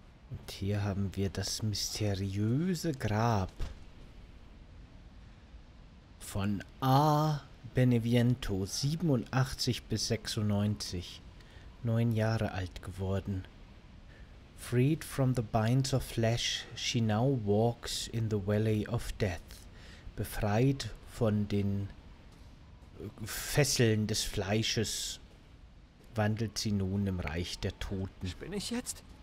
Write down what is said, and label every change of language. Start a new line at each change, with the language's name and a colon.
German: Und hier haben wir das mysteriöse Grab von A. Beneviento, 87 bis 96, 9 Jahre alt geworden.
English: Freed from the binds of flesh, she now walks in the valley of death.
German: Befreit von den Fesseln des Fleisches, wandelt sie nun im Reich der Toten. Bin ich jetzt?